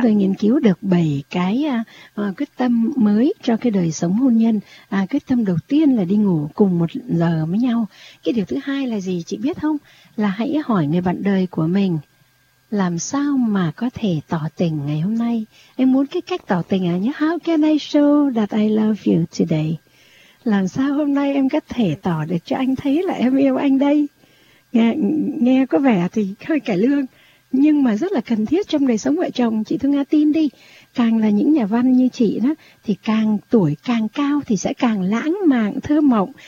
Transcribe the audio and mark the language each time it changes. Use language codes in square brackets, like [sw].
[vi] Chúng tôi nghiên cứu được 7 cái quyết tâm mới cho cái đời sống hôn nhân. Quyết tâm đầu tiên là đi ngủ cùng một giờ với nhau. Cái điều thứ hai là gì chị biết không? Là hãy hỏi người bạn đời của mình, làm sao mà có thể tỏ tình ngày hôm nay? Em muốn cái cách tỏ tình à nhé. [en] How can I show that I love you today? [vi] Làm sao hôm nay em có thể tỏ được cho anh thấy là em yêu anh đây? Nghe có vẻ thì hơi cải lương, nhưng mà rất là cần thiết trong đời sống vợ chồng. Chị Thương Nga tin đi, càng là những nhà văn như chị đó, thì càng tuổi càng cao thì sẽ càng lãng mạn, thơ mộng.